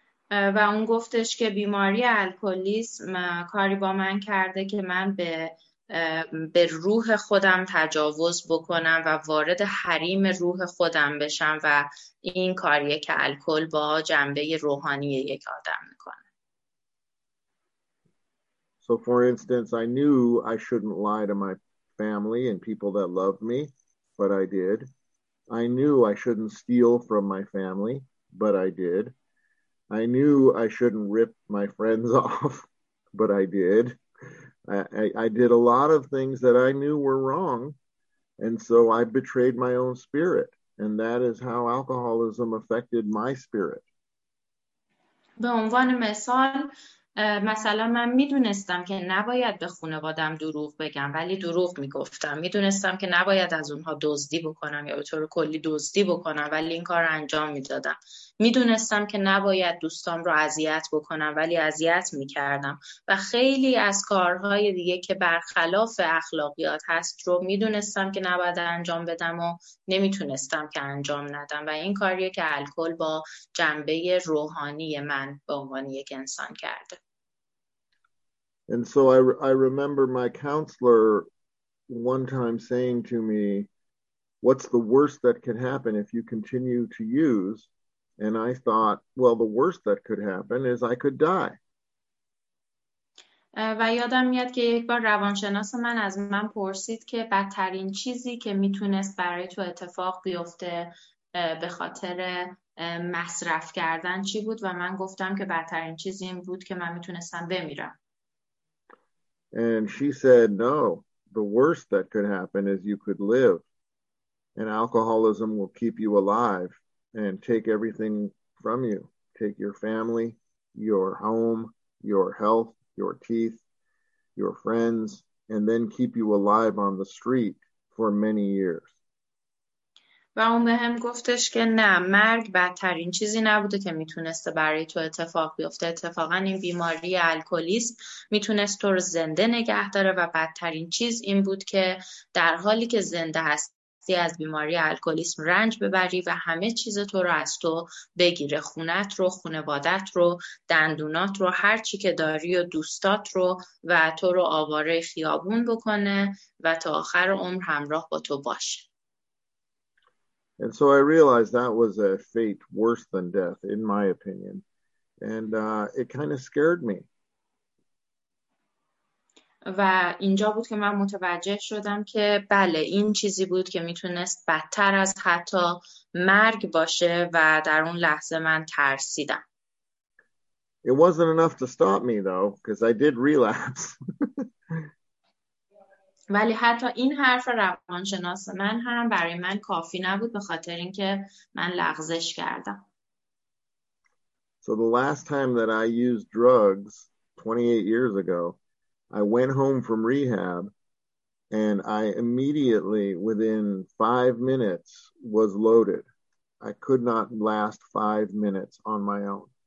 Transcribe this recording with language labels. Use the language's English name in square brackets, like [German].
[Persian] و اون گفتش که بیماری الکلیسم کاری با من کرده که من به روح خودم تجاوز بکنم و وارد حریم روح خودم بشم و این کاریه که الکل با جنبه روحانی یک آدم میکنه. [English] So for instance, I knew I shouldn't lie to my family and people that loved me, but I did. I knew I shouldn't steal from my family, but I did. I knew I shouldn't rip my friends off, but I did. I did a lot of things that I knew were wrong, and so I betrayed my own spirit, and that is how alcoholism affected my spirit. [Persian] به عنوان مثال، مثلا من میدونستم که نباید به خانوادم دروغ بگم، ولی دروغ میگفتم. میدونستم که نباید از اونها دزدی بکنم یا به طور کلی دزدی بکنم، ولی این کار انجام میدادم. میدونستم که نباید دوستام رو اذیت بکنم، ولی اذیت میکردم. و خیلی از کارهای دیگه که برخلاف اخلاقیات هست رو میدونستم که نباید انجام بدم و نمیتونستم که انجام ندم. و این کاریه که الکل با جنبه روحانی من به عنوان یک انسان کرده. [English] And so I remember my counselor one time saying to me, what's the worst that could happen if you continue to use? And I thought, well, the worst that could happen is I could die. [Persian] و یادم میاد که یک بار روانشناس من از من پرسید که بدترین چیزی که میتونست برای تو اتفاق بیفته به خاطر مصرف کردن چی بود و من گفتم که بدترین چیزی این بود که من میتونستم بمیرم. [English] And she said, no, the worst that could happen is you could live. And alcoholism will keep you alive and take everything from you. Take your family, your home, your health, your teeth, your friends, and then keep you alive on the street for many years. [Persian] و اون به هم گفتش که نه، مرگ بدترین چیزی نبوده که میتونسته برای تو اتفاق بیفته. اتفاقا این بیماری الکلیسم میتونست تو رو زنده نگه داره و بدترین چیز این بود که در حالی که زنده هستی از بیماری الکلیسم رنج ببری و همه چیز تو رو از تو بگیره، خونت رو، خونوادت رو، دندونات رو، هر چی که داری و دوستات رو، و تو رو آواره خیابون بکنه و تا آخر عمر همراه با تو باشه. [English] And so I realized that was a fate worse than death, in my opinion. And it kind of scared me. [Persian] و اینجا بود که من متوجه شدم که بله، این چیزی بود که میتونست بدتر از حتی مرگ باشه و در اون لحظه من ترسیدم. [English] It wasn't enough to stop me, though, because I did relapse. [Persian] ولی حتی این حرف روانشناس من هم برای من کافی نبود به خاطر اینکه من لغزش کردم. [English] So the last time that I used drugs 28 years ago, I went home from rehab and I immediately within 5 minutes was loaded. I could not last 5 minutes on my own.